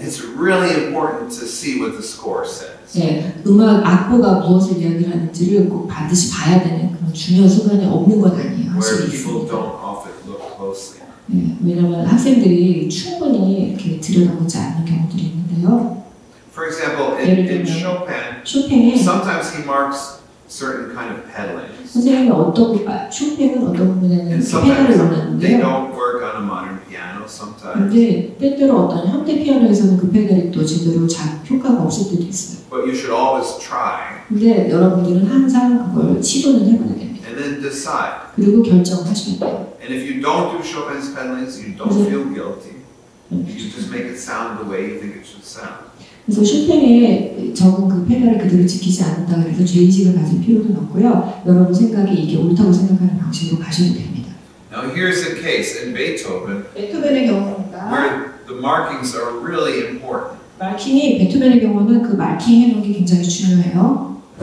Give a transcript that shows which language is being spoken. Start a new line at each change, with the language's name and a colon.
English: it's really important to see what the score says.
Korean: 네, 음악 악보가 무엇을 이야기하는지를 꼭 반드시 봐야 되는 그런 중요한 순간이 없는 건 아니에요.
English: where people don't often look closely.
Korean: 왜냐면 학생들이 충분히 이렇게 들여다보지 않는 경우들이 있는데요.
English: For example, in Chopin, sometimes he marks certain kind of pedalings.
Korean: 선생님 쇼팽은 어떤 부분에는 페달을 넣는데요.
English: They don't work on a modern piano sometimes.
Korean: 근데 때때로 어떤 현대 피아노에서는 그 페달이 또 제대로 잘 효과가 없을 때도 있어요.
English: But you should always try.
Korean: 근데 여러분들은 항상 그걸 시도는 해봐야 됩니다.
English: And then decide.
Korean: 그리고 결정하셔야 돼요.
English: And if you don't do Chopin's pedalings, you don't
Korean: 그래서,
English: feel guilty. You just make it sound the way you think it should sound.
Korean: 그래서 쇼팽의 적은 그 페달을 그대로 지키지 않는다 그래서 죄의식을 가질 필요는 없고요. 여러분 생각이 이게 옳다고 생각하는 방식으로 가셔도 됩니다.
English: Now here's a case in Beethoven.
Korean: 베토벤의 경우입니다.
English: Where the markings are really important.
Korean: 마킹이 베토벤의 경우는 그 마킹 해놓은 게 굉장히 중요해요.